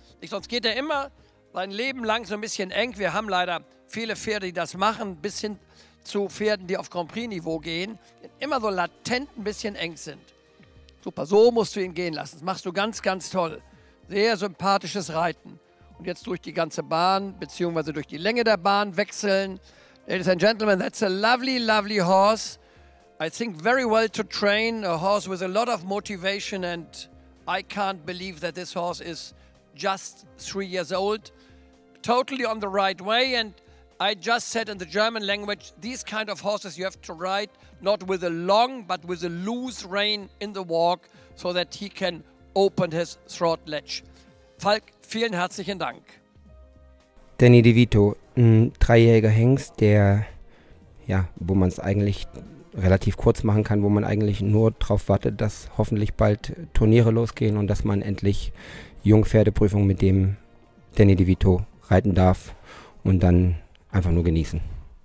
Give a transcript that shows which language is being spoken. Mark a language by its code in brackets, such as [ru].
[de] Nicht, sonst geht er immer sein Leben lang so ein bisschen eng. Wir haben leider viele Pferde, die das machen, bis hin zu Pferden, die auf Grand Prix-Niveau gehen, immer so latent ein bisschen eng sind. Super, so musst du ihn gehen lassen. Das machst du ganz, ganz toll. Sehr sympathisches Reiten. Und jetzt durch die ganze Bahn, beziehungsweise durch die Länge der Bahn wechseln. [en] Ladies and gentlemen, that's a lovely, lovely horse. I think very well to train. A horse with a lot of motivation. And I can't believe that this horse is just 3 years old. Totally on the right way. And I just said in the German language, these kind of horses you have to ride not with a long, but with a loose rein in the walk, so that he can open his throat latch. [de] Falk, vielen herzlichen Dank. Danny DeVito, ein dreijähriger Hengst, der, ja, wo man es eigentlich relativ kurz machen kann, wo man eigentlich nur darauf wartet, dass hoffentlich bald Turniere losgehen und dass man endlich Jungpferdeprüfung mit dem Danny DeVito reiten darf und dann einfach nur genießen.